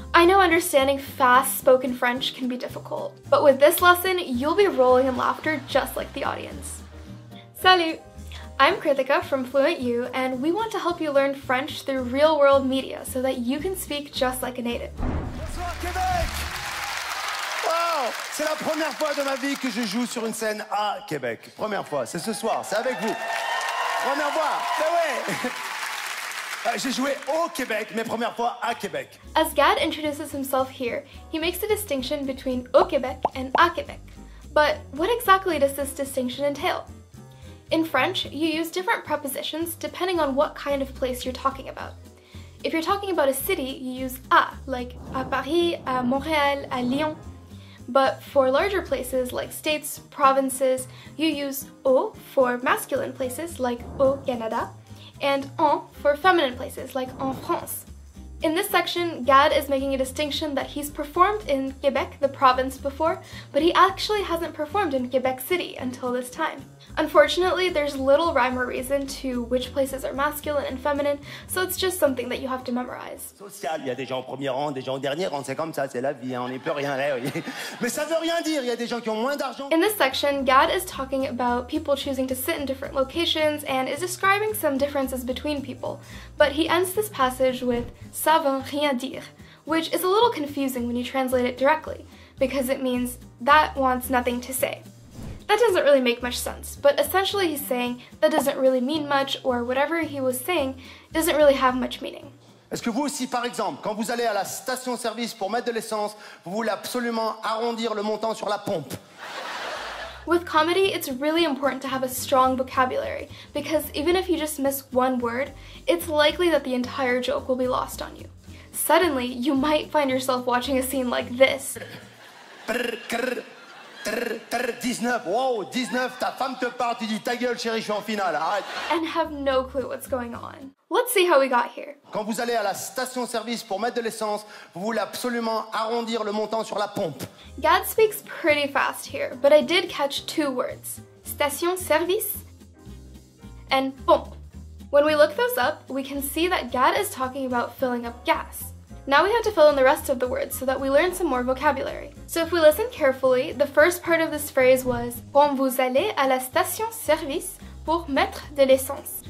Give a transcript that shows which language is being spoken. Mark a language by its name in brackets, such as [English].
[English] I know understanding fast-spoken French can be difficult, but with this lesson, you'll be rolling in laughter just like the audience. [French] Salut! [English] I'm Krithika from FluentU, and we want to help you learn French through real-world media so that you can speak just like a native. [French] Bonsoir, Québec! Wow! C'est la première fois de ma vie que je joue sur une scène à Québec. Première fois, c'est ce soir, c'est avec vous. Première fois, mais oui! J'ai joué au Québec, mes premières fois à Québec. [English] As Gad introduces himself here, he makes a distinction between au Québec and à Québec. But what exactly does this distinction entail? In French, you use different prepositions depending on what kind of place you're talking about. If you're talking about a city, you use à, like à Paris, à Montréal, à Lyon. But for larger places, like states, provinces, you use au for masculine places, like au Canada, and en for feminine places, like en France. In this section, Gad is making a distinction that he's performed in Quebec, the province, before, but he actually hasn't performed in Quebec City until this time. Unfortunately, there's little rhyme or reason to which places are masculine and feminine, so it's just something that you have to memorize. [French] Social, il y a des gens au premier rang, des gens au dernier rang, c'est comme ça, c'est la vie, hein, on n'y peut rien, là, oui. Mais ça veut rien dire, il y a des gens qui ont moins d'argent. [English] In this section, Gad is talking about people choosing to sit in different locations and is describing some differences between people, but he ends this passage with [French] ça veut rien dire, [English] which is a little confusing when you translate it directly, because it means that wants nothing to say. That doesn't really make much sense, but essentially he's saying that doesn't really mean much, or whatever he was saying doesn't really have much meaning. [French] Est-ce que vous aussi, par exemple, quand vous allez à la station service pour mettre de l'essence, vous voulez absolument arrondir le montant sur la pompe? [English] With comedy, it's really important to have a strong vocabulary, because even if you just miss one word, it's likely that the entire joke will be lost on you. Suddenly, you might find yourself watching a scene like this. Brr, brr. [French] 19, wow, 19, ta femme te parle, tu dis ta gueule chérie, je suis en finale, arrête. [English] And have no clue what's going on. Let's see how we got here. [French] Quand vous allez à la station service pour mettre de l'essence, vous voulez absolument arrondir le montant sur la pompe. [English] Gad speaks pretty fast here, but I did catch two words. Station service and pompe. When we look those up, we can see that Gad is talking about filling up gas. Now we have to fill in the rest of the words so that we learn some more vocabulary. So if we listen carefully, the first part of this phrase was [French] quand vous allez à la station service pour mettre de l'essence.